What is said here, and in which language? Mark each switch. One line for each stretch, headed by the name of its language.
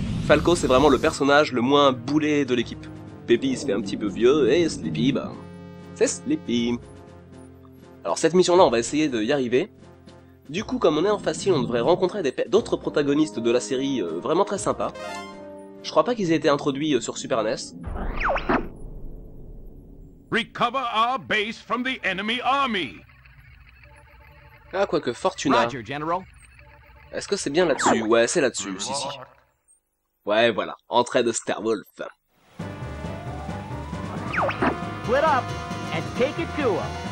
French: Falco, c'est vraiment le personnage le moins boulé de l'équipe. Pépi, il se fait un petit peu vieux, et Sleepy, bah, c'est Sleepy. Alors, cette mission-là, on va essayer d'y arriver. Du coup, comme on est en facile, on devrait rencontrer d'autres protagonistes de la série vraiment très sympas. Je crois pas qu'ils aient été introduits sur Super NES.
English: Recover our base from the enemy army.
French: Ah, quoique, Fortuna.
English: Roger, General.
French: Est-ce que c'est bien là-dessus? Ouais, c'est là-dessus, si, si. Ouais, voilà, entrée de Starwolf.
English: Split up and take it to him.